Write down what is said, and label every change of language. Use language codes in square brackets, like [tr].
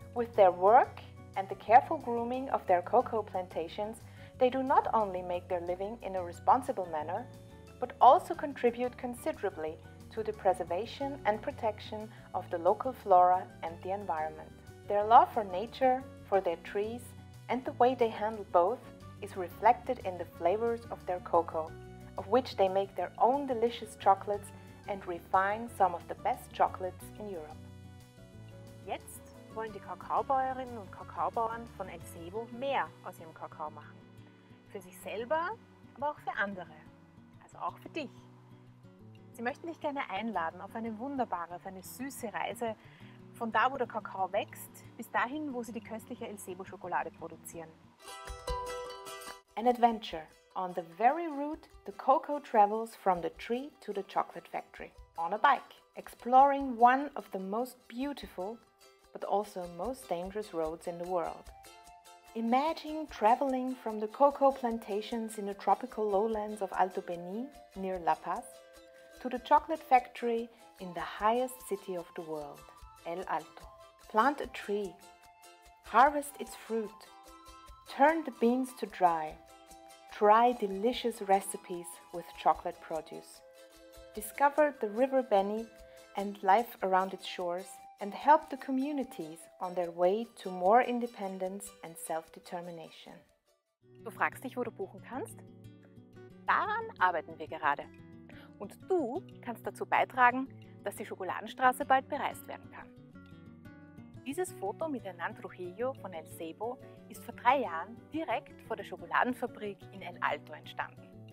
[en] With their work and the careful grooming of their cocoa plantations, they do not only make their living in a responsible manner, but also contribute considerably to the preservation and protection of the local flora and the environment. Their love for nature, for their trees, and the way they handle both is reflected in the flavors of their cocoa, of which they make their own delicious chocolates and refine some of the best chocolates in Europe. [de] Jetzt wollen die Kakaobäuerinnen und Kakaobauern von El Sabo mehr aus ihrem Kakao machen. Für sich selber, aber auch für andere. Also auch für dich. Sie möchten dich gerne einladen auf eine wunderbare, auf eine süße Reise von da, wo der Kakao wächst, bis dahin, wo sie die köstliche El Sabo Schokolade produzieren. [en] An adventure. On the very route, the cocoa travels from the tree to the chocolate factory. On a bike, exploring one of the most beautiful, but also most dangerous roads in the world. Imagine traveling from the cocoa plantations in the tropical lowlands of Alto Beni, near La Paz, to the chocolate factory in the highest city of the world, El Alto. Plant a tree, harvest its fruit, turn the beans to dry, try delicious recipes with chocolate produce. Discover the River Beni and life around its shores and help the communities on their way to more independence and self-determination. [de] Du fragst dich, wo du buchen kannst? Daran arbeiten wir gerade. Und du kannst dazu beitragen, dass die Schokoladenstraße bald bereist werden kann. Dieses Foto mit Hernán Trujillo von El Sabo ist vor 3 Jahren direkt vor der Schokoladenfabrik in El Alto entstanden.